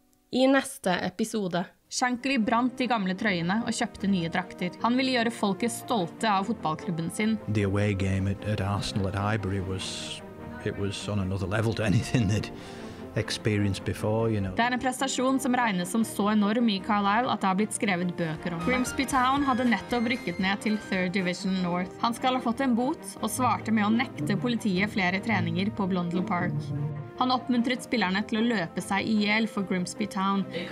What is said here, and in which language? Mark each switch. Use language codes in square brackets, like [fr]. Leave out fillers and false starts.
[no] I neste episode. Shankly brant de gamle trøyene og kjøpte nye drakter. Han ville gjøre folket stolte av fotballklubben sin. [en] The away game at Arsenal at Highbury was on another level to anything they'd experienced before, you know. [no] Det er en prestasjon som regnes som så enorm i Carlisle at det har blitt skrevet bøker om. Grimsby Town hadde nettopp rykket ned til 3rd Division North. Han skal ha fått en bot og svarte med å nekte politiet flere treninger på Blundell Park. Han oppmuntret spillerne til å løpe seg ihjel for Grimsby Town.